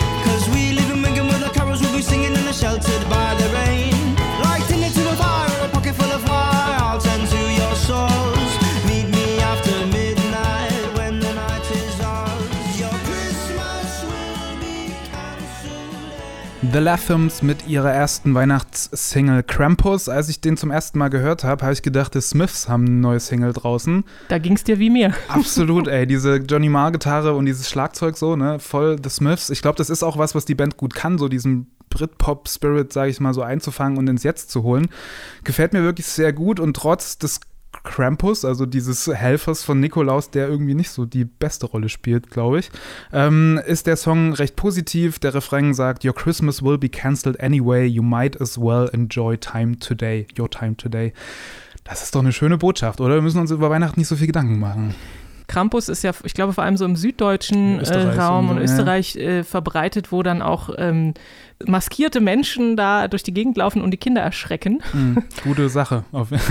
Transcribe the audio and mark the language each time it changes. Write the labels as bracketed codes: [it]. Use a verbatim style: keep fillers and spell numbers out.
[en] Cause we live in Wigan where the carols will be singing and are sheltered by the rain. Like tinder to a fire or a pocket full of wire, I'll tend to your souls. Meet me after midnight when the night is ours. Your Christmas will be cancelled. [de] The Lathams mit ihrer ersten Weihnachtssingle Krampus. Als ich den zum ersten Mal gehört habe, habe ich gedacht, die Smiths haben eine neue Single draußen. Da ging's dir wie mir. Absolut, ey, diese Johnny Marr-Gitarre und dieses Schlagzeug so, ne, voll The Smiths. Ich glaube, das ist auch was, was die Band gut kann, so diesen Britpop-Spirit, sage ich mal, so einzufangen und ins Jetzt zu holen. Gefällt mir wirklich sehr gut und trotz des Krampus, also dieses Helfers von Nikolaus, der irgendwie nicht so die beste Rolle spielt, glaube ich, ähm, ist der Song recht positiv. Der Refrain sagt, [en] Your Christmas will be cancelled anyway, you might as well enjoy time today, [de] your time today. Das ist doch eine schöne Botschaft, oder? Wir müssen uns über Weihnachten nicht so viel Gedanken machen. Krampus ist ja, ich glaube, vor allem so im süddeutschen In äh, Österreich Raum und und so, ja. Österreich äh, verbreitet, wo dann auch ähm, maskierte Menschen da durch die Gegend laufen und die Kinder erschrecken. Hm, gute Sache. Auf-